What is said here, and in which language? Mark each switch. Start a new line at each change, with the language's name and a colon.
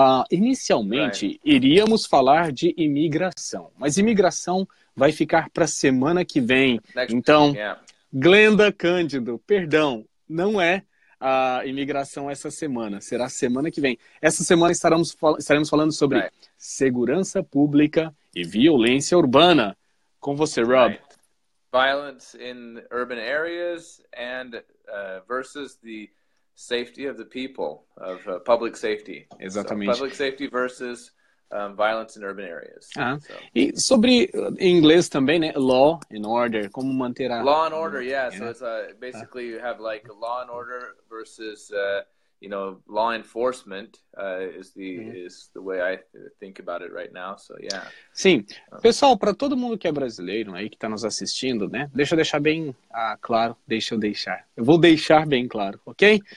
Portuguese: Inicialmente, iríamos falar de imigração, mas imigração vai ficar para semana que vem. Então, Glenda Cândido, perdão, não é a imigração essa semana, será semana que vem. Essa semana estaremos falando sobre segurança pública e violência urbana. Com você, Rob.
English: Right. Violence in urban areas and versus the safety of the people, of public safety.
Portuguese: Exatamente.
English: So, public safety versus violence in urban areas.
Portuguese: Ah. So. E sobre em inglês também, né? Law and order, como manter a...
English: Law and order, yeah. So it's basically you have like law and order versus, you know, law enforcement is the way I think about it right now. So, yeah.
Portuguese: Sim. Pessoal, para todo mundo que é brasileiro aí, que está nos assistindo, né? Deixa eu deixar bem claro. Deixa eu deixar. Eu vou deixar bem claro, ok?